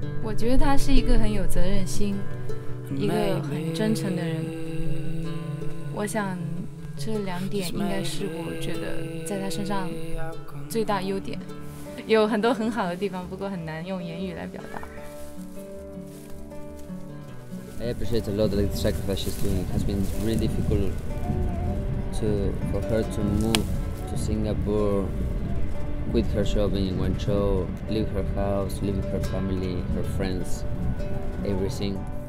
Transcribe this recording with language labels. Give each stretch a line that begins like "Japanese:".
English: I think he is a very responsible, a very honest person. I think these two things should be the most important things in his life.
Chinese: 有很多很好的地方，不过很难用言语来表达。
English: I appreciate a lot the sacrifice she's doing. It has been really difficult for her to move to Singapore, quit her job in Guangzhou, leave her house, leave her family, her friends, everything.